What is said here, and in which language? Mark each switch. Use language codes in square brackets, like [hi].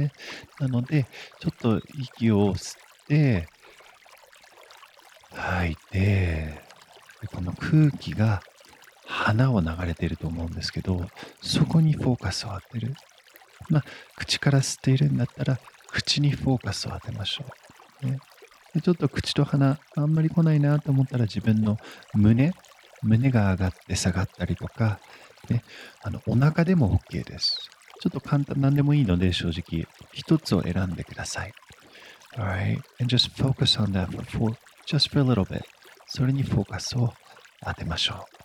[ja] ね、なのでちょっと息を吸って吐いて、でこの空気が鼻を流れていると思うんですけど、そこにフォーカスを当てる、まあ、口から吸っているんだったら口にフォーカスを当てましょう、ね、でちょっと口と鼻あんまり来ないなと思ったら、自分の胸が上がって下がったりとか、ね、お腹でも OK です。ちょっと簡単、何でもいいので、正直一つを選んでください。 [en] Alright, and just focus on that just for a little bit。 [ja] それにフォーカスを当てましょう。